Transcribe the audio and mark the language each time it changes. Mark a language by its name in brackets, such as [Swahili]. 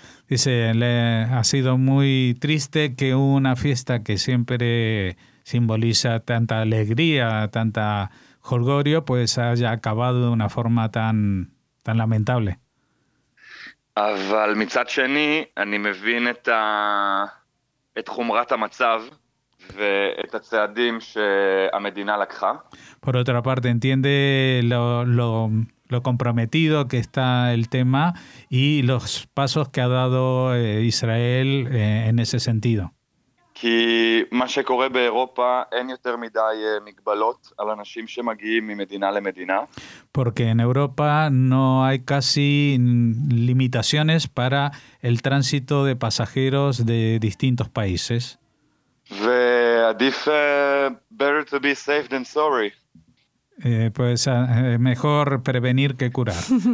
[Spanish] Dice, ha sido muy triste que una fiesta que siempre simboliza tanta alegría, tanta jolgorio, pues haya acabado de una forma tan lamentable. [Hebrew] אבל מצד שני, אני מבין את ה... את חומרת המצב ואת הצעדים שהמדינה לקחה. [Spanish] Por otra parte, entiende lo comprometido que está el tema y los pasos que ha dado Israel en ese sentido. [Hebrew] כי מה שקורה באירופה אין יותר מדי מגבלות על אנשים שמגיעים ממדינה למדינה. [Spanish] Porque en Europa no hay casi limitaciones para el tránsito de pasajeros de distintos países. [Hebrew] ועדיף, [English] better to be safe than sorry. [Spanish] Pues mejor prevenir que curar.